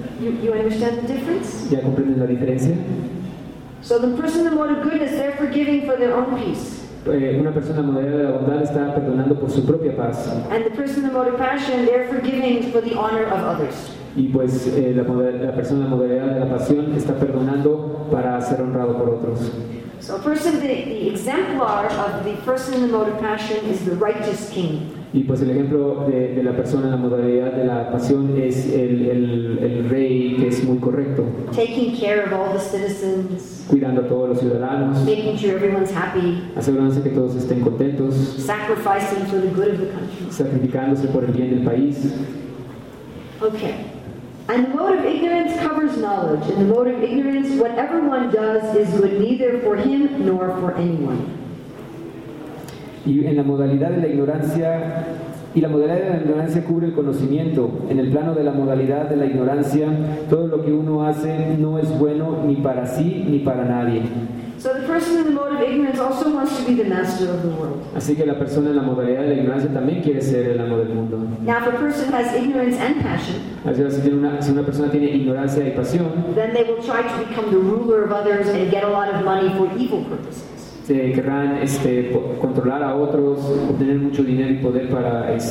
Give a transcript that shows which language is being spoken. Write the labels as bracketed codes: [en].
[en] You understand the difference? [es] ¿Ya comprendes la diferencia? [en] So the person in the mode of goodness, they're forgiving for their own peace. [es] Una persona moderada de la bondad está perdonando por su propia paz. [en] And the person in the mode of passion, they're forgiving for the honor of others. [es] Y pues la persona moderada de la pasión está perdonando para ser honrado por otros. [en] So person, the exemplar of the person in the mode of passion is the righteous king. [es] Y pues el ejemplo de la persona en la modalidad de la pasión es el rey, que es muy correcto. [en] Taking care of all the citizens. [es] Cuidando a todos los ciudadanos. [en] Making sure everyone's happy. [es] Asegurándose que todos estén contentos. [en] Sacrificing for the good of the country. [es] Sacrificándose por el bien del país. [en] Okay. And the mode of ignorance covers knowledge. And the mode of ignorance, whatever one does is good neither for him nor for anyone. [es] Y en la modalidad de la ignorancia, y la modalidad de la ignorancia cubre el conocimiento. En el plano de la modalidad de la ignorancia, todo lo que uno hace no es bueno ni para sí ni para nadie. [en] So the person in the mode of ignorance also wants to be the master of the world. [es] Así que la persona en la modalidad de la ignorancia también quiere ser el amo del mundo. [en] Now if a person has ignorance and passion, [es] si una persona tiene ignorancia y pasión, [en] then they will try to become the ruler of others and get a lot of money for evil purposes. [es] Querrán controlar a otros, obtener mucho dinero y poder para